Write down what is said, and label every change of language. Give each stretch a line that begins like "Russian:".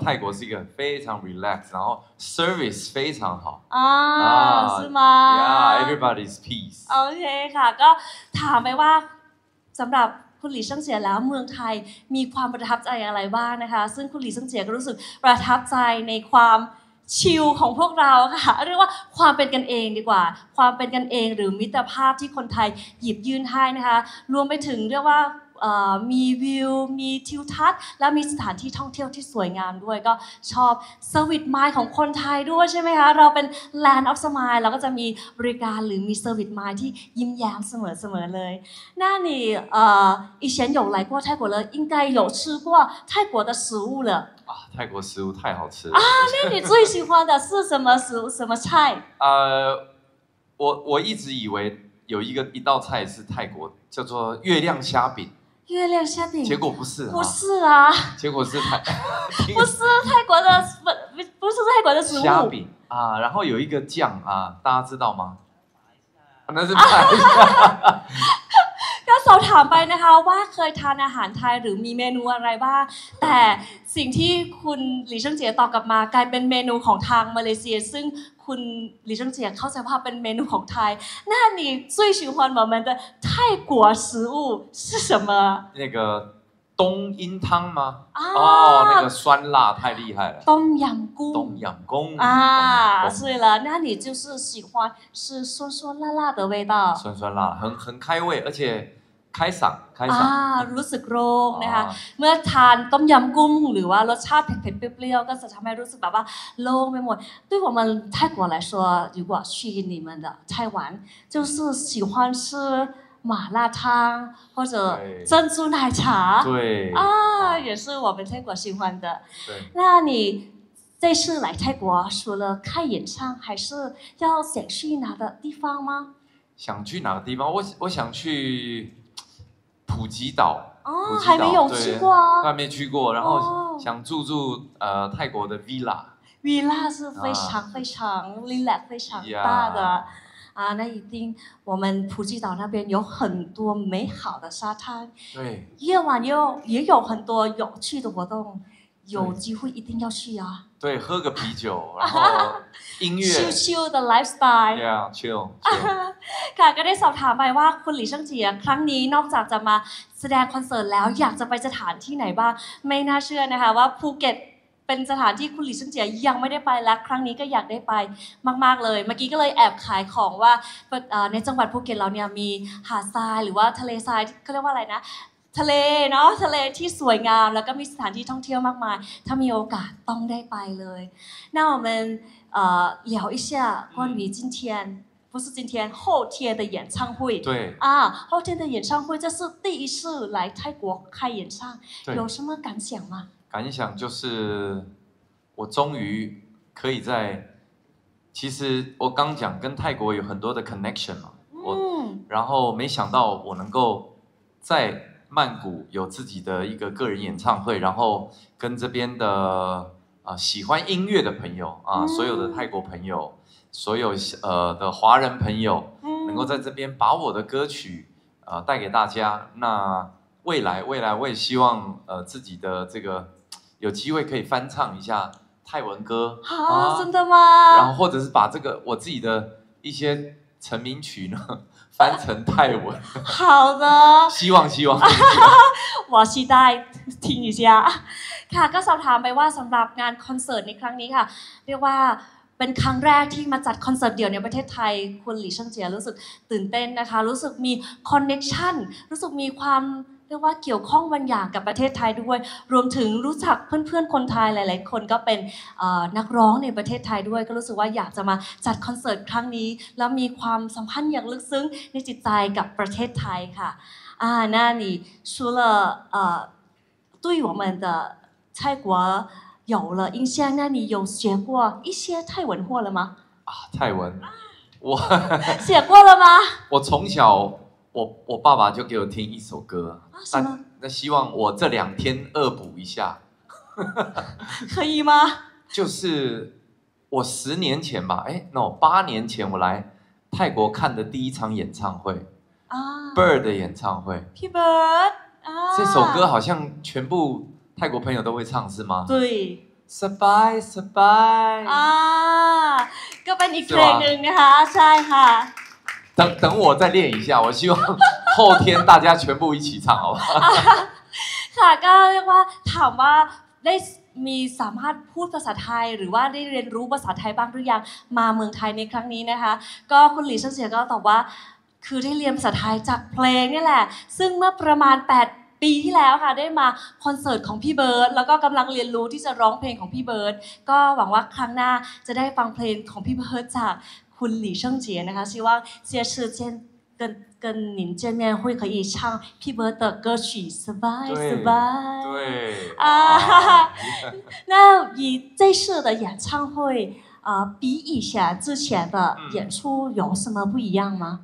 Chinese: 泰国是一个非常 relax 然后 service 非常好是吗
English: everybody's peace
Thai: OK ค่ะก็ถามไปว่าสำหรับคุณหลี่ช่างเจียแล้วเมืองไทยมีความประทับใจอะไรบ้างนะคะซึ่งคุณหลี่ช่างเจียก็รู้สึกประทับใจในความชิลของพวกเราค่ะเรียกว่าความเป็นกันเองดีกว่าความเป็นกันเองหรือมิตรภาพที่คนไทยหยิบยื่นให้นะคะรวมไปถึงเรียกว่า มีวิวมีทิวทัศน์และมีสถานที่ท่องเที่ยวที่สวยงามด้วยก็ชอบเซอร์วิสไมล์ของคนไทยด้วยใช่ไหมคะเราเป็นแลนด์ออฟสไมล์เราก็จะมีบริการหรือมีเซอร์วิสไมล์ที่ยิ้มแย้มเสมอๆเลยนั่นนี่
Chinese: 以前有来过泰国了应该有吃过泰国的食物了啊泰国食物太好吃了啊那你最喜欢的是什么食物什么菜我一直以为有一道菜是泰国叫做月亮虾饼月亮虾饼，结果不是，不是啊，结果是泰，不是泰国的不是泰国的食物，虾饼啊，然后有一个酱啊，大家知道吗？那是泰式。
Thai: ก็สอบถามไปนะคะว่าเคยทานอาหารไทยหรือมีเมนูอะไรบ้างแต่สิ่งที่คุณหลี่ช่างเจียตอบกลับมากลายเป็นเมนูของทางมาเลเซียซึ่งคุณหลี่ช่างเจียเข้าใจว่าเป็นเมนูของไทยนั่นนี่
Chinese: 最喜欢我们的泰国食物是什么那个冬阴汤吗那个酸辣太厉害了冬阴功冬阴功啊对了那你就是喜欢是酸酸辣辣的味道酸酸辣很开胃而且开嗓开嗓
Thai: รู้สึกโรงนะคะเมื่อทานต้มยำกุ้งหรือว่ารสชาติเผ็ดๆเปรี้ยวๆก็จะทำให้รู้สึกแบบว่าโล่งไปหมด
Chinese: 对我们泰国来说如果去你们的台湾就是喜欢吃麻辣烫或者珍珠奶茶对也是我们泰国喜欢的对那你这次来泰国除了开演唱还是要想去哪个地方吗想去哪个地方 我想去普吉岛还没有去过还没去过然后想住泰国的 villa villa 是非常非常 relax 非常大的那一定我们普吉岛那边有很多美好的沙滩对夜晚也有很多有趣的活动有机会一定要去啊对喝个啤酒然后音乐
English: chill chill the lifestyle yeah chill
Thai: ค่ะก็ได้สอบถามไปว่าคุณหลี่ช่างเจียครั้งนี้นอกจากจะมาแสดงคอนเสิร์ตแล้วอยากจะไปสถานที่ไหนบ้างไม่น่าเชื่อนะคะว่าภูเก็ต เป็นสถานที่คุณหลี่เฉิงเจียยังไม่ได้ไปและครั้งนี้ก็อยากได้ไปมากๆเลยเมื่อกี้ก็เลยแอบขายของว่าในจังหวัดภูเก็ตเราเนี่ยมีหาดทรายหรือว่าทะเลทรายเขาเรียกว่าอะไรนะทะเลเนาะทะเลที่สวยงามแล้วก็มีสถานที่ท่องเที่ยวมากมายถ้ามีโอกาสต้องได้ไปเลย
Chinese: 那我们聊一下关于今天不是今天后天的演唱会对啊后天的演唱会这是第一次来泰国开演唱有什么感想吗感想就是我终于可以在其实我刚讲跟泰国有很多的 connection 嘛我然后没想到我能够在曼谷有自己的一个个人演唱会然后跟这边的喜欢音乐的朋友啊所有的泰国朋友所有的华人朋友能够在这边把我的歌曲带给大家那未来我也希望自己的这个有机会可以翻唱一下泰文歌啊真的吗然后或者是把这个我自己的一些成名曲呢翻成泰文好的希望我期待听一下
Thai: ค่ะก็สอบถามไปว่าสำหรับงานคอนเสิร์ตในครั้งนี้ค่ะเรียกว่าเป็นครั้งแรกที่มาจัดคอนเสิร์ตเดี่ยวในประเทศไทยคุณหลี่เฉิงเจียรู้สึกตื่นเต้นนะคะรู้สึกมีคอนเนคชั่นรู้สึกมีความเรียกว่าเกี่ยวข้องบางอย่างกับประเทศไทยด้วยรวมถึงรู้จักเพื่อนๆคนไทยหลายๆคนก็เป็น นักร้องในประเทศไทยด้วยก็รู้สึกว่าอยากจะมาจัดคอนเสิร์ตครั้งนี้แล้วมีความสัมพันธ์อย่างลึกซึ้งในจิตใจกับประเทศไทยค่ะนั่นนี่ชูเลอร์ด้วยของเราเด้อ
Chinese: 泰国有了印象，那你有学过一些泰文或了吗？啊，泰文，我写过了吗？我从小，我爸爸就给我听一首歌啊，什么？那希望我这两天恶补一下，可以吗？就是我十年前吧，八年前我来泰国看的第一场演唱会啊，Bird 的演唱会，Happy Bird 啊，这首歌好像全部。泰国朋友都会唱是吗？对
English: ，Surprise
Chinese: 啊，各班一个人哈，帅哈。等我再练一下，我希望后天大家全部一起唱，好吧？
Thai: 哈，ค่ะ ก็เรียกว่าถามว่าได้มีสามารถพูดภาษาไทยหรือว่าได้เรียนรู้ภาษาไทยบ้างหรือยังมาเมืองไทยในครั้งนี้นะคะก็คุณหลี่เฉิงเจียก็ตอบว่า คือได้เรียนภาษาไทยจากเพลงนี่แหละซึ่งเมื่อประมาณ8ปีที่แล้วค่ะได้มาคอนเสิร์ตของพี่เบิร์ดแล้วก็กำลังเรียนรู้ที่จะร้องเพลงของพี่เบิร์ดก็หวังว่าครั้งหน้าจะได้ฟังเพลงของพี่เบิร์ดจากคุณหลี่เฉิงเจียนะคะ
Chinese: 希望这次见跟您见面会可以唱
Thai: พี่เบิร์ด
Chinese: 的歌曲 Survive 对啊那以这次的演唱会比以前之前的演出有什么不一样吗